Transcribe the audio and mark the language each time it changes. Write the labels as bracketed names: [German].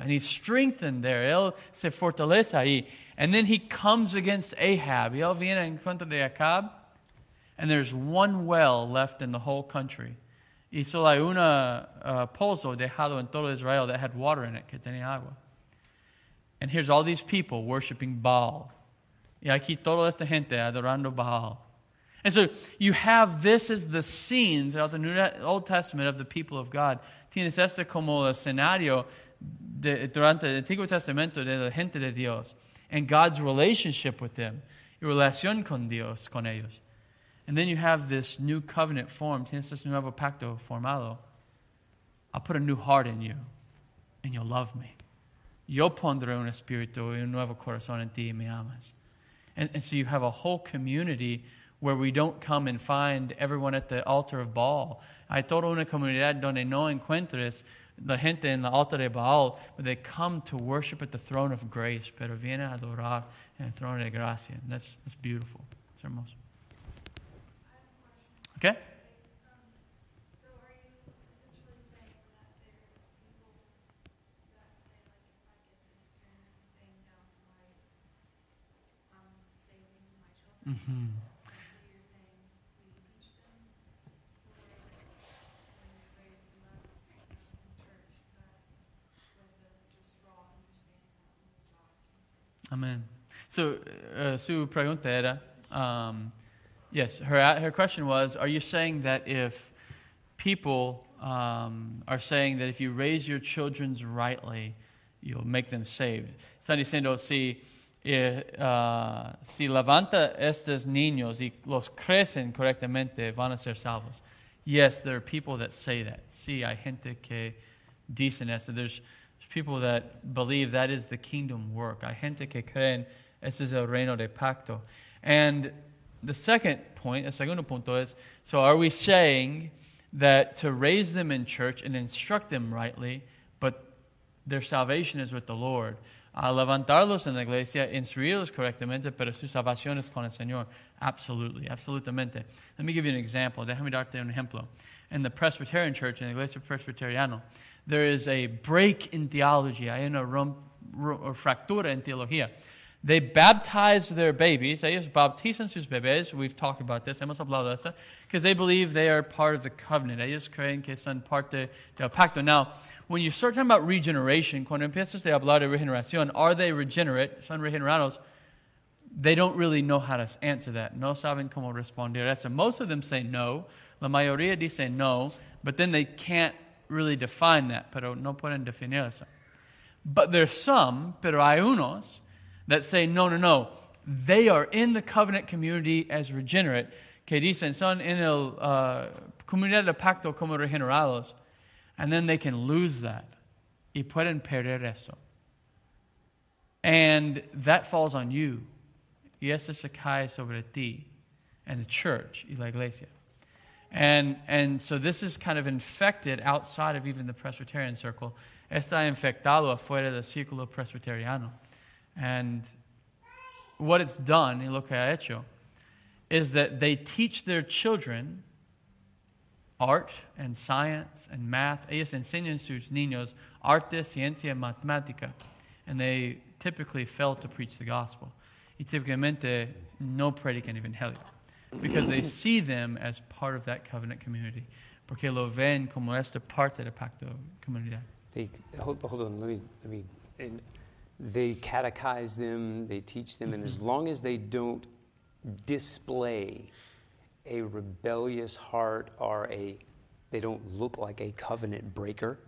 [English] And he's strengthened there. [Spanish] Él se fortalece ahí. [English] And then he comes against Ahab. [Spanish] Y él viene en contra de Acab. [English] And there's one well left in the whole country. [Spanish] Y solo hay un pozo dejado en todo Israel [English] that had water in it, [Spanish] que tenía agua. [English] And here's all these people worshiping Baal. [Spanish] Y aquí toda esta gente adorando Baal. [English] And so you have this as the scene throughout the New Old Testament of the people of God. [Spanish] Tienes esto como el escenario durante el Antiguo Testamento de la gente de Dios. [English] And God's relationship with them. [Spanish] Y relación con Dios, con ellos. [English] And then you have this new covenant formed. [Spanish] Tienes este nuevo pacto formado. [English] I'll put a new heart in you. And you'll love me. [Spanish] Yo pondré un espíritu y un nuevo corazón en ti y me amas. [English] And so you have a whole community where we don't come and find everyone at the altar of Baal. [Spanish] Hay toda una comunidad donde no encuentres la gente en la altar de Baal, [English] but they come to worship at the throne of grace, [Spanish] pero viene a adorar en el trono de gracia. [English] And that's beautiful. It's hermoso. Okay? Amen. So, [Spanish] su pregunta era, [English] yes, her question was, are you saying that if people are saying that if you raise your children rightly, you'll make them saved? [Spanish] Están diciendo, si... si levanta estos niños y los crecen correctamente, van a ser salvos. [English] Yes, there are people that say that. [Spanish] Sí, hay gente que dicen eso. [English] There's people that believe that is the kingdom work. [Spanish] Hay gente que creen, ese es el reino de pacto. [English] And the second point, [Spanish] el segundo punto es, [English] so are we saying that to raise them in church and instruct them rightly, but their salvation is with the Lord? [Spanish] A levantarlos en la iglesia, instruirlos correctamente, pero su salvación es con el Señor. [English] Absolutely, absolutamente. Let me give you an example. [Spanish] Déjame darte un ejemplo. [English] In the Presbyterian Church, in the Iglesia Presbyteriana, there is a break in theology. [Spanish] Hay una fractura en teología. [English] They baptize their babies. [Spanish] Ellos bautizan sus bebés. [English] We've talked about this. [Spanish] Hemos hablado de eso. [English] Because they believe they are part of the covenant. [Spanish] Ellos creen que son parte del pacto. [English] Now, when you start talking about regeneration, [Spanish] cuando empiezas a hablar de regeneración, [English] are they regenerate? [Spanish] Son regenerados. [English] They don't really know how to answer that. [Spanish] No saben cómo responder. [English] So most of them say no. [Spanish] La mayoría dice no. [English] But then they can't really define that. [Spanish] Pero no pueden definir eso. [English] But there's some, [Spanish] pero hay unos, [English] that say, no, no, no, they are in the covenant community as regenerate, [Spanish] que dicen, son en el comunidad de pacto como regenerados, [English] and then they can lose that, [Spanish] y pueden perder eso. [English] And that falls on you, [Spanish] y eso se cae sobre ti, [English] and the church, [Spanish] y la iglesia. [English] And so this is kind of infected outside of even the Presbyterian circle. [Spanish] Está infectado afuera del círculo presbiteriano. [English] And what it's done, [Spanish] y lo que ha hecho, [English] is that they teach their children art and science and math. [Spanish] Ellos enseñan sus niños arte, ciencia, matemática. [English] And they typically fail to preach the gospel. [Spanish] Y típicamente no predican evangelio. [English] Because they see them as part of that covenant community. [Spanish] Porque lo ven como esta parte del pacto comunidad. [English] Hold on, let me... They catechize them, they teach them, and as long as they don't display a rebellious heart or they don't look like a covenant breaker.